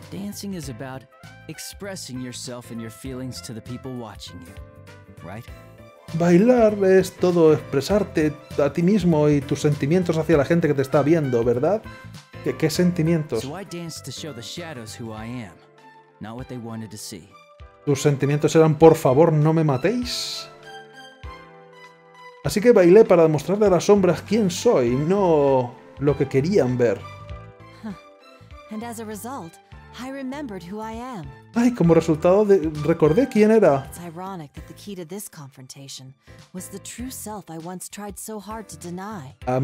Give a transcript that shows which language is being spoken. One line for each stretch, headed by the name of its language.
English: Dancing is about expressing yourself and your feelings to the people watching you, right?
Spanish: Bailar es todo expresarte a ti mismo y tus sentimientos hacia la gente que te está viendo, ¿verdad? ¿Qué sentimientos?
English: So I danced to show the shadows who I am, not what they wanted to see.
Spanish: Tus sentimientos eran, por favor, no me matéis. Así que bailé para demostrarle a las sombras quién soy, no lo que querían ver.
English: And as a result, I remembered who I am.
Spanish: Ay, como resultado de, recordé quién era.
English: It's ironic that the key to this confrontation was the true self I once tried so hard to deny.